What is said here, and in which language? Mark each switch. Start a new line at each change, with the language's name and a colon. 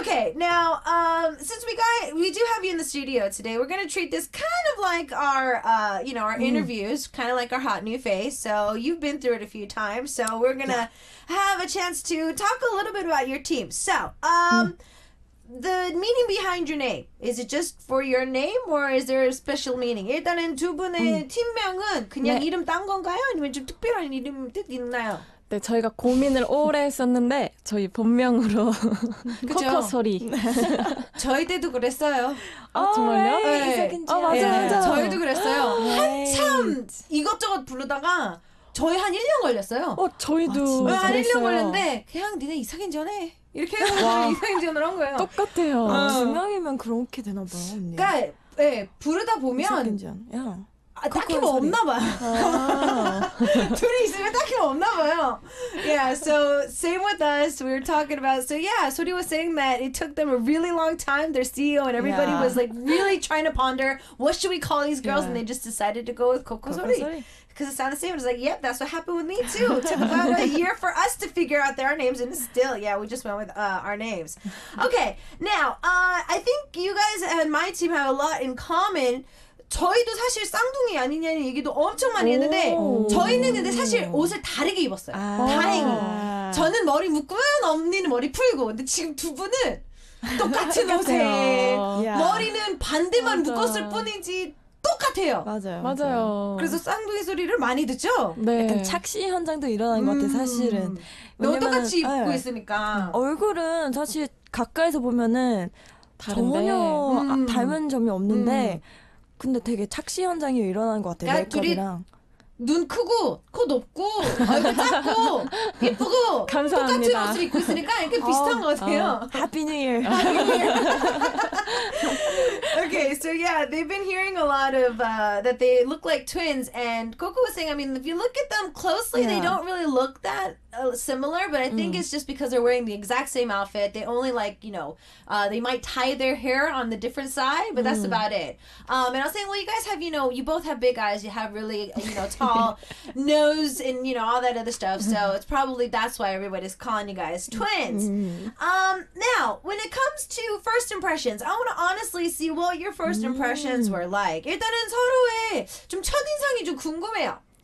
English: Okay, now, since we do have you in the studio today, we're going to treat this kind of like our interviews, kind of like our hot new face. So you've been through it a few times. So we're going to have a chance to talk a little bit about your team. So, The meaning behind your name, is it just for your name or is there a special meaning?
Korean: 일단은 두 분의 팀명은 그냥 네. 이름 딴 건가요? 아니면 좀 특별한 이름 뜻 있나요? 네, 저희가 고민을 오래 했었는데 저희 본명으로 코코 소리. 저희 때도 그랬어요. 아, 정말요? 네. 아, 맞아요. 맞아. 저희도 그랬어요. 한참 이것저것 부르다가 저희 한 1년 걸렸어요. 저희도 한 1년 걸렸는데 그냥 니네 이상인전에 이렇게 해서 이상인전을 한 거예요. 똑같아요. 두 명이면 그렇게 되나 봐요, 언니. 그러니까 네, 부르다 보면 이상인전. 야. 아, 딱히 뭐 없나 봐요. 둘이 있으면 딱히 뭐 없나 봐요.
English: Yeah, so same with us. We were talking about, so yeah, Sori was saying that it took them a really long time. Their CEO and everybody was like really trying to ponder what should we call these girls, and they just decided to go with Coco Sori. Because it sounded the same. It was like, yep, that's what happened with me too. It took about a year for us to figure out their names, and still, yeah, we just went with our names. Okay, now, I think you guys and my team have a lot in common.
Korean: 저희도 사실 쌍둥이 아니냐는 얘기도 엄청 많이 했는데 저희는 근데 사실 옷을 다르게 입었어요. 아~ 다행히 저는 머리 묶으면 언니는 머리 풀고 근데 지금 두 분은 똑같은 옷에 머리는 반대만 맞아. 묶었을 뿐이지 똑같아요. 맞아요. 그래서 쌍둥이 소리를 많이 듣죠? 네. 약간 착시 현장도 일어난 것 같아요 사실은. 너무 똑같이 입고 있으니까 얼굴은 사실 가까이서 보면은 다른데? 전혀 닮은 점이 없는데 근데 되게 착시 현장이 일어난 것 같아요. 메이크업이랑 눈 크고 코 높고 얼굴 작고 예쁘고 감사합니다. 똑같은 옷을 입고 있으니까 이렇게 비슷한 것 같아요.
English: Happy New Year. Okay, so yeah, they've been hearing a lot of that they look like twins. And Coco was saying, I mean, if you look at them closely, they don't really look that similar, but I think it's just because they're wearing the exact same outfit. They only like, you know, they might tie their hair on the different side, but that's about it. And I was saying, well, you guys have, you know, you both have big eyes. You have really, you know, tall nose and, you know, all that other stuff. So it's probably that's why everybody's calling you guys twins. Now, when it comes to first impressions, I want to honestly see what your first impressions were like.
Korean: 일단은 서로의 좀 첫인상이 좀 궁금해요.